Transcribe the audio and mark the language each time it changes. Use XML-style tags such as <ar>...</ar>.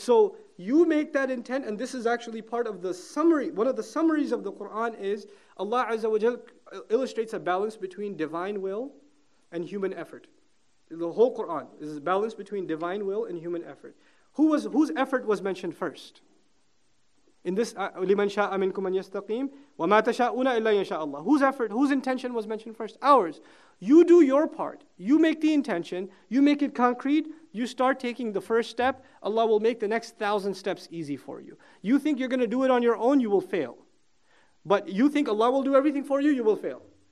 <en>So you make that intent, and this is actually part of the summary. One of the summaries of the Quran is Allah Azza wa Jal illustrates a balance between divine will and human effort. The whole Quran is a balance between divine will and human effort. Whose effort was mentioned first? In this,</en> <ar>لِمَنْ شَاءَ مِنْكُمْ أَنْ يَسْتَقِيمُ وَمَا تَشَاءُونَ إِلَّا يَشَاءَ اللَّهُ.</ar> <en>Whose effort, whose intention was mentioned first? Ours. You do your part. You make the intention. You make it concrete. You start taking the first step. Allah will make the next 1,000 steps easy for you. You think you're going to do it on your own, you will fail. But you think Allah will do everything for you, you will fail.</en>